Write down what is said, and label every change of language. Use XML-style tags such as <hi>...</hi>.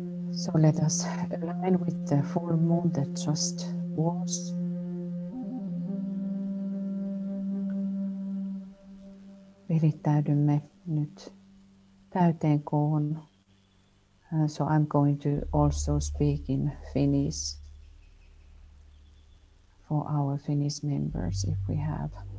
<en>So let us align with the full moon that just was.</en> <fi>Virittäydymme nyt täyteen koon.</fi> <en>So I'm going to also speak in Finnish for our Finnish members if we have.</en>